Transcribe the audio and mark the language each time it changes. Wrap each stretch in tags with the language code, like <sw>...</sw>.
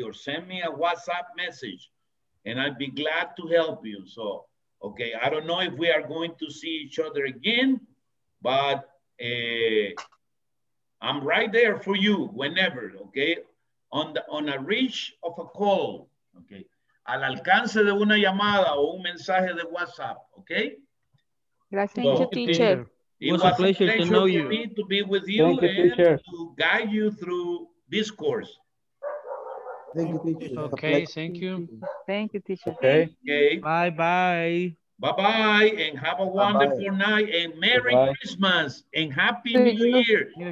<en>Or send me a WhatsApp message, and I'd be glad to help you. So, okay, I don't know if we are going to see each other again, but I'm right there for you whenever, okay? On a reach of a call, okay?</en> <es>Al alcance de una llamada o un mensaje de WhatsApp, okay? Gracias,</es> <en>teacher. It was a pleasure to be with you and to guide you through this course. Thank you, teacher. Okay, thank you. Thank you, teacher. Okay. Bye-bye. Bye-bye, and have a wonderful night, and Merry Christmas, and Happy New Year.</en>